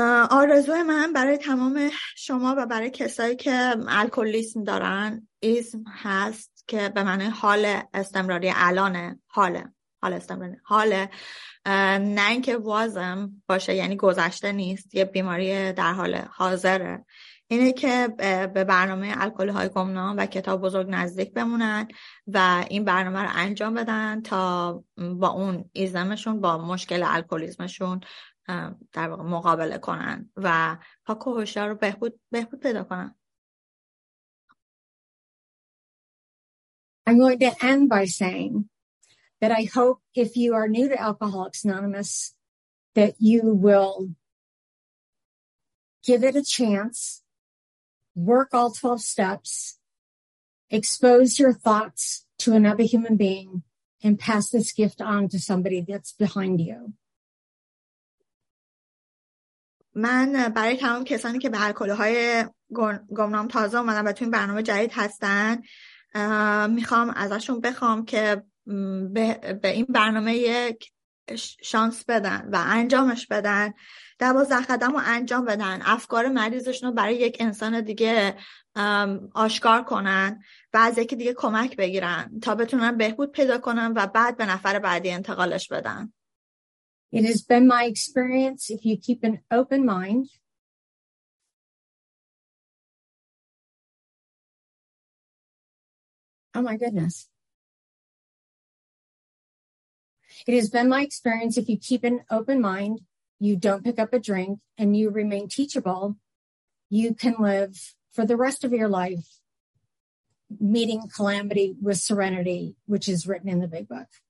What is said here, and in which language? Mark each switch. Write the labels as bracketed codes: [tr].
[fa] آرزوی من برای تمام شما و برای کسایی که الکلیسم دارن ایزم هست که به معنی حال استمراری الانه، حال استمراری، حال نه اینکه وازم باشه، یعنی گذشته نیست، یه بیماری در حال حاضره، اینه که به برنامه الکلی های گمنام و کتاب بزرگ نزدیک بمونن و این برنامه رو انجام بدن تا با اون ایزمشون، با مشکل الکلیزمشون در واقع مقابله کنن و پاک و هوشیار رو بهبود پیدا کنن. [en] I'm going to end by saying that I hope if you are new to Alcoholics Anonymous that you will give it a chance. Work all 12 steps, expose your thoughts to another human being, and pass this gift on to somebody that's behind you. [fa] من برای تمام کسانی که به الکل‌های گمنام تازه اومدن و توی این برنامه جدید هستن، میخوام ازشون بخوام که به این برنامه یک شانس بدن و انجامش بدن، 12 قدم رو انجام بدن، افکار مریضشون رو برای یک انسان دیگه آشکار کنن و از یکی دیگه کمک بگیرن تا بتونن بهبود پیدا کنن و بعد به نفر بعدی انتقالش بدن. [en] It has been my experience if you keep an open mind It has been my experience if you keep an open mind, you don't pick up a drink, and you remain teachable, you can live for the rest of your life meeting calamity with serenity, which is written in the Big Book.